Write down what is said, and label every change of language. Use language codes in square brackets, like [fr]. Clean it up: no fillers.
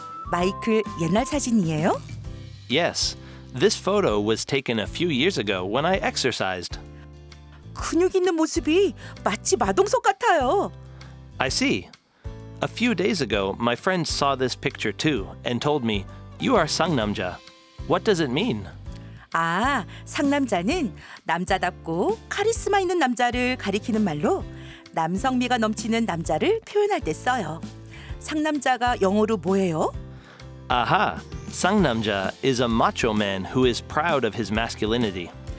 [ko] 마이클, 옛날 사진이에요? [en] Yes, this photo was taken a few years ago when I exercised. [ko] 근육 있는 모습이 마치 마동석 같아요. [en] I see. A few days ago, my friend saw this picture too and told me, "You are Sangnamja." What does it mean? [ko] 아, 상남자는 남자답고 카리스마 있는 남자를 가리키는 말로 남성미가 넘치는 남자를 표현할 때 써요. 상남자가 영어로 뭐예요? [en] Aha, 상남자 is a macho man who is proud of his masculinity.